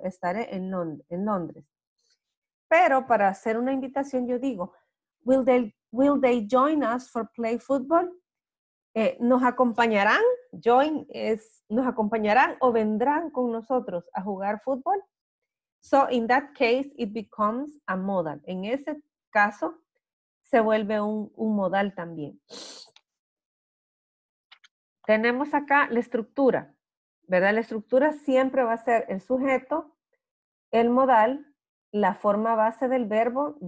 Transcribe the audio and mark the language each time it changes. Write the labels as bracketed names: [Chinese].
[Spanish] Estaré en Londres. Pero para hacer una invitación yo digo, [English] will they join us for play football? [Spanish] ¿Nos acompañarán? Join es ¿nos acompañarán o vendrán con nosotros a jugar fútbol? [English] So in that case, it becomes a modal. [Spanish] En ese caso, se vuelve un modal también. Tenemos acá la estructura, ¿verdad? La estructura siempre va a ser el sujeto, el modal, la forma base del verbo.